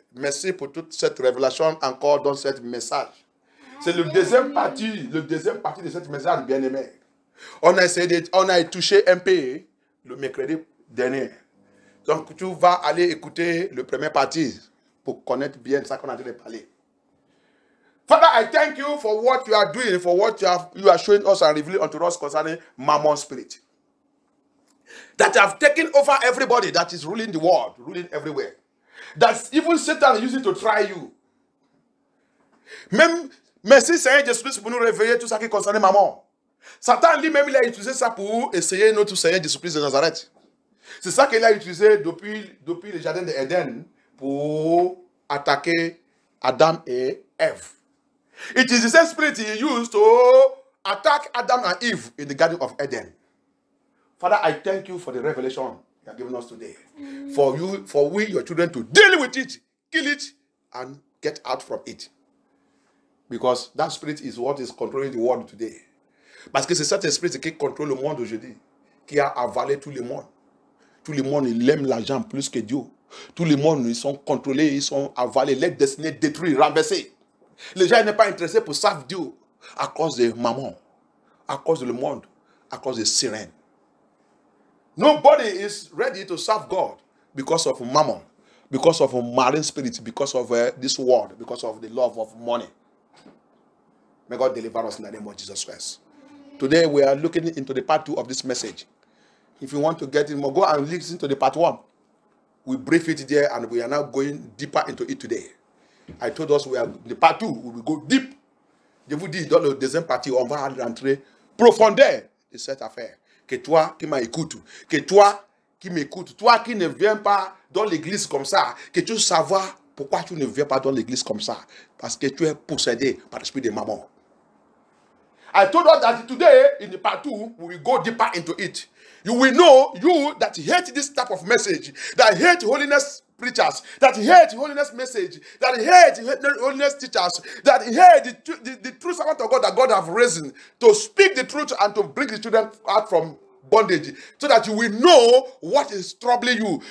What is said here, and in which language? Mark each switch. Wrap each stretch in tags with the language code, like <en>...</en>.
<fr>Merci pour toute cette révélation encore dans ce message. C'est le deuxième partie de cette message, bien-aimé. On a touché un peu le mercredi dernier. Donc, tu vas aller écouter le premier partie pour connaître bien ça qu'on a déjà parlé.</fr> <en>Father, I thank you for what you are doing, for what you are showing us and revealing unto us concerning Mammon spirit. That have taken over everybody that is ruling the world, ruling everywhere. That even Satan uses to try you.</en> <fr>Même, merci Seigneur Jésus Christ pour nous réveiller tout ça qui concerne Mammon. Satan lui-même, il a utilisé ça pour essayer notre Seigneur Jésus Christ de Nazareth. C'est ça qu'il a utilisé depuis le jardin d'Éden pour attaquer Adam et Ève.</fr> <en>It is the same spirit he used to attack Adam and Eve in the Garden of Eden. Father, I thank you for the revelation you have given us today. For we, your children, to deal with it, kill it, and get out from it. Because that spirit is what is controlling the world today.</en> <fr>Parce que c'est cet esprit qui contrôle le monde aujourd'hui, qui a avalé tout le monde. Tout le monde, il aime l'argent plus que Dieu. Tout le monde, ils sont contrôlés, ils sont avalés, les destinés détruits, renversés. Les gens n'est pas intéressé pour savoir Dieu à cause de Mammon, à cause du monde, à cause de sirène.</fr> <en>Nobody is ready to serve God because of Mammon, because of marine spirit, because of this world, because of the love of money. May God deliver us in the name of Jesus Christ. Today we are looking into the part 2 of this message. If you want to get it more, go and listen to the part 1. We brief it there and we are now going deeper into it today. I told us the part 2 we will go deep.</en> <fr>Je vous dis, dans la deuxième partie, on va rentrer profondeur de cette affaire. Que toi qui m'écoutes, toi qui ne viens pas dans l'église comme ça, que tu saches pourquoi tu ne viens pas dans l'église comme ça. Parce que tu es possédé par l'esprit de Mammon.</fr> <en>I told us that today, in the part 2, we will go deeper into it. You will know, you that hate this type of message, that hate holiness preachers, that hate holiness message, that hate holiness teachers, that hate the true servant of God that God have risen to speak the truth and to bring the children out from bondage, so that you will know what is troubling you.</en>